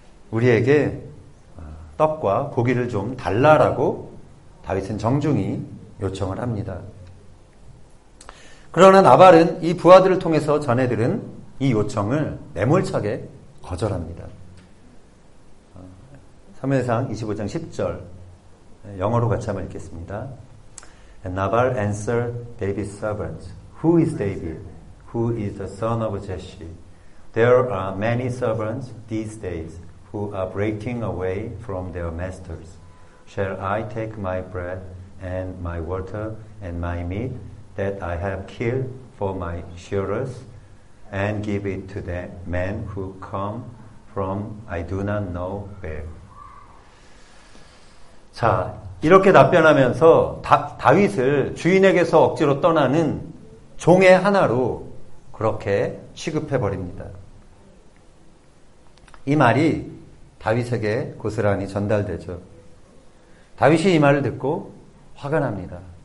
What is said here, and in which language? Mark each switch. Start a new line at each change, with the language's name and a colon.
Korean: 우리에게 떡과 고기를 좀 달라라고 다윗은 정중히 요청을 합니다. 그러나 나발은 이 부하들을 통해서 전해들은 이 요청을 매몰차게 거절합니다. 사무엘상 25장 10절 영어로 같이 한번 읽겠습니다.
English: And Nabal answered David's servants, Who is David? Who is the son of Jesse? There are many servants these days who are breaking away from their masters. Shall I take my bread and my water and my meat that I have killed for my shearers? And give it to the men who come from I do not know where.
Korean: 자, 이렇게 답변하면서 다윗을 주인에게서 억지로 떠나는 종의 하나로 그렇게 취급해버립니다. 이 말이 다윗에게 고스란히 전달되죠. 다윗이 이 말을 듣고 화가 납니다.